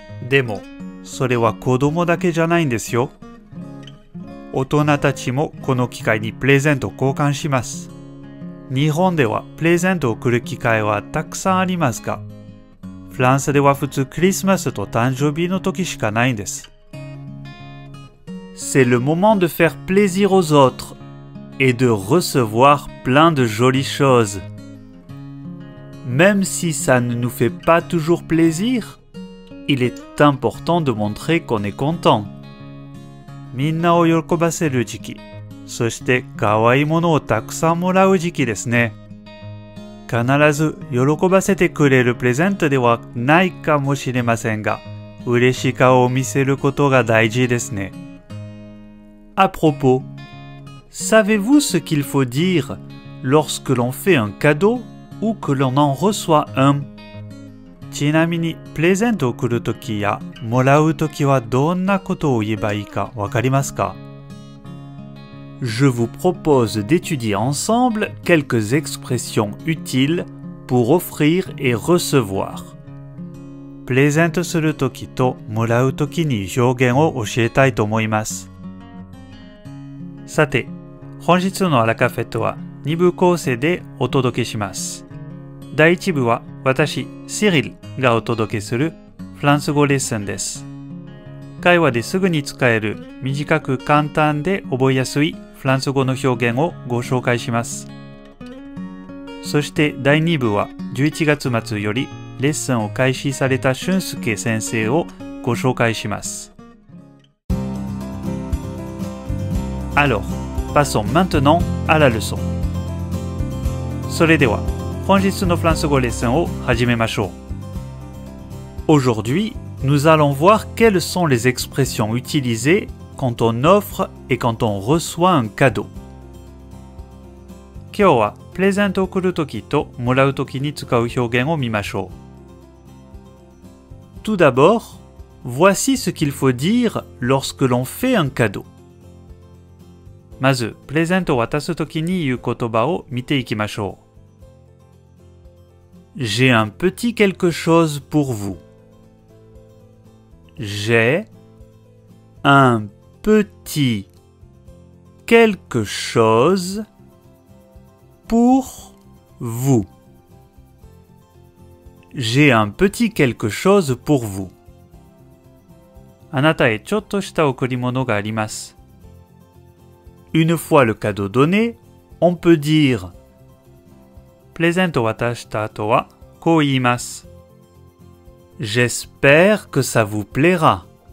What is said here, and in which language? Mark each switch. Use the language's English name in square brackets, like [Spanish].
[Japanese] Demo, それは子供だけじゃないんですよ。大人たちもこの機会にプレゼント交換します。日本ではプレゼントを贈る機会はたくさんありますが、フランスでは普通クリスマスと誕生日の時しかないんです。 [French] C'est le moment de faire plaisir aux autres et de recevoir plein de jolies choses. Même si ça ne nous fait pas toujours plaisir, il est important de montrer qu'on est content. [Japanese] みんなを喜ばせる時期、そしてかわいいものをたくさんもらう時期ですね。必ず喜ばせてくれるプレゼントではないかもしれませんが、嬉しい顔を見せることが大事ですね。 [French] À propos, savez-vous ce qu'il faut dire lorsque l'on fait un cadeau ou que l'on en reçoit un? [Japanese] ちなみに、プレゼントを贈るときやもらうときはどんなことを言えばいいかわかりますか? [French] Je vous propose d'étudier ensemble quelques expressions utiles pour offrir et recevoir. [Japanese] プレゼントするときともらうときに表現を教えたいと思います。さて、本日のアラカフェットは2部構成でお届けします。第1部は私、シリルがお届けするフランス語レッスンです。会話ですぐに使える短く簡単で覚えやすいフランス語の表現をご紹介します。そして第2部は11月末よりレッスンを開始された俊介先生をご紹介します。 [French] Alors, passons maintenant à la leçon. [Japanese] それでは、本日のフランス語レッスンを始めましょう。 [French] Aujourd'hui, nous allons voir quelles sont les expressions utilisées quand on offre et quand on reçoit un cadeau. [Japanese] 今日は、プレゼントを贈るときともらうときに使う表現を見ましょう。 [French] Tout d'abord, voici ce qu'il faut dire lorsque l'on fait un cadeau. [Japanese] まず、プレゼントを渡すときに言う言葉を見ていきましょう。 [French] J'ai un petit quelque chose pour vous. J'ai un petit quelque chose pour vous. J'ai un petit quelque chose pour vous. [Japanese] あなたへちょっとした贈り物があります。 [French] Une fois le cadeau donné, on peut dire [Japanese] プレゼントを渡した後はこう言います。 [French] J'espère que ça vous plaira.